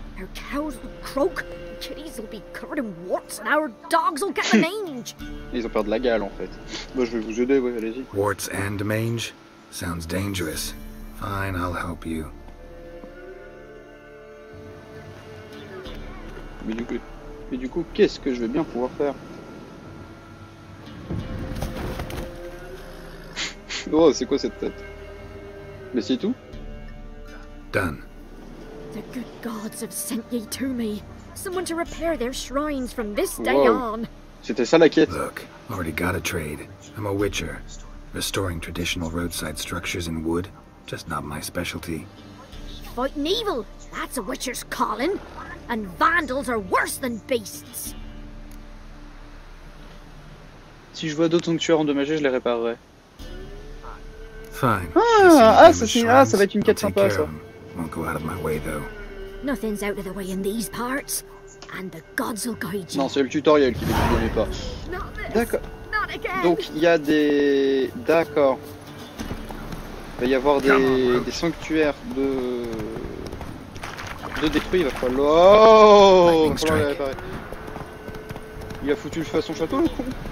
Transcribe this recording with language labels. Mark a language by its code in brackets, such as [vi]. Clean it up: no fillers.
[en] Her cows will croak, kitties will be covered in warts, and our dogs will get a mange. [fr] Ils ont peur de la gale, en fait. Moi, je vais vous aider, ouais, allez-y. [en] Warts and mange? Sounds dangerous. Fine, I'll help you. [fr] Mais du coup, qu'est-ce que je vais bien pouvoir faire? Oh, c'est quoi cette tête? Mais c'est tout? [en] Done. The good gods have sent ye to me. Someone to repair their shrines from this day on. [fr] C'était ça la quête. [en] Look, already got a trade. I'm a witcher. Restoring traditional roadside structures in wood, just not my specialty. Fighting evil, that's a witcher's calling. And vandals are worse than beasts. [fr] Si je vois d'autres sanctuaires endommagés, je les réparerai. [en] Fine. [fr] Ah, ça va être une quête sympa, ça. [en] won't go out of my way, though. Nothing's out of the way in these parts. And the gods will guide you. [fr] Non, c'est le tutoriel qui dit que je connais pas. D'accord. Donc, il y a des... D'accord. Il va y avoir des sanctuaires de... De détruits, il va falloir... Oh, il a foutu le feu à son château, le con.